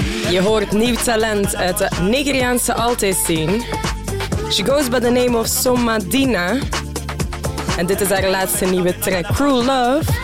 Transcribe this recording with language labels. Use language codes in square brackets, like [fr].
[nl] Je hoort nieuw talent uit de Nigeriaanse alt-scene. [en] She goes by the name of Somadina. [nl] En dit is haar laatste nieuwe track, Cruel Love.